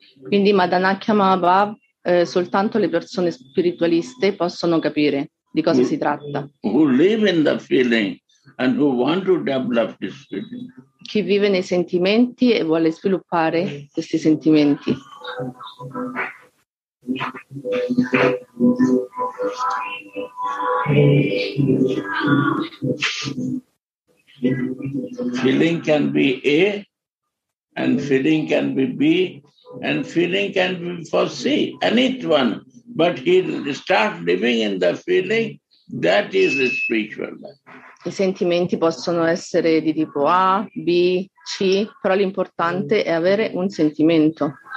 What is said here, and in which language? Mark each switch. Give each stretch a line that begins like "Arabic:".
Italian: Quindi Madanakya Mahabhava, soltanto le persone spiritualiste possono capire di cosa si tratta.
English: Who live in the feeling and who want to develop this feeling.
Italian: Chi vive nei sentimenti e vuole sviluppare questi sentimenti.
English: Feeling can be A, and feeling can be B, and feeling can be for C, any one. But he start living in the feeling, that is the spiritual life.
Italian: I sentimenti possono essere di tipo A, B, C, però l'importante è avere un sentimento.